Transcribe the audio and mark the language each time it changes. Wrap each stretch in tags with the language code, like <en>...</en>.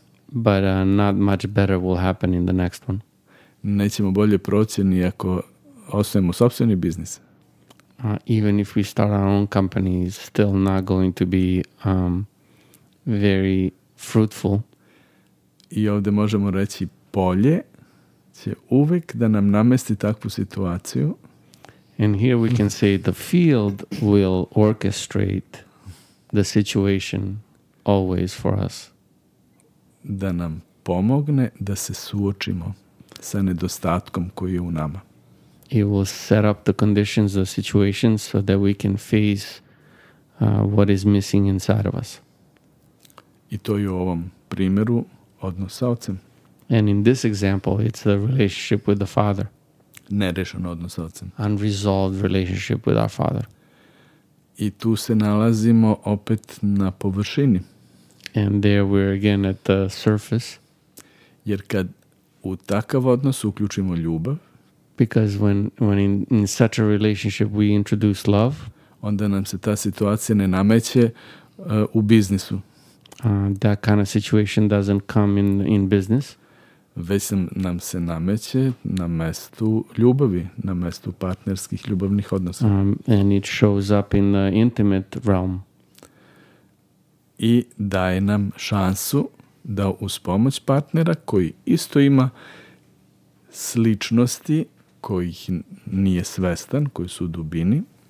<en>But not much better will happen in the next one.</en> <sr>Nećemo bolje proći ni ako osnovimo sopstveni biznis.</sr> <en>Even if we start our own company, it's still not going to be very fruitful.</en> <sr>I ovdje možemo reći bolje će uvijek da nam namesti takvu situaciju.</sr> <en>And here we can say the field will orchestrate the situation always for us.</en> <sr>Da nam pomogne da se suočimo sa nedostatkom koji je u nama.</sr> <en>It will set up the conditions, the situations, so that we can face what is missing inside of us.</en> <sr>I to je u ovom primjeru odnos sa ocem.</sr> <en>And in this example, it's the relationship with the father.</en> <sr>Nerešen odnos sa ocem.</sr> <en>Unresolved relationship with our father.</en> <sr>I tu se nalazimo opet na površini.</sr> <en>And there we're again at the surface.</en> <sr>Jer kad u takav odnos uključimo ljubav,</sr> <en>because when in such a relationship we introduce love,</en> <sr>onda nam se ta situacija ne nameće u biznisu.</sr> <en>That kind of situation doesn't come in business.</en> <sr>Već nam se nameće na mestu ljubavi, na mestu partnerskih ljubavnih odnosa.</sr> <en>And it shows up in the intimate realm.</en> <sr>I daje nam šansu da uz pomoć partnera koji isto ima sličnosti kojih nije svestan, koji su u dubini.</sr>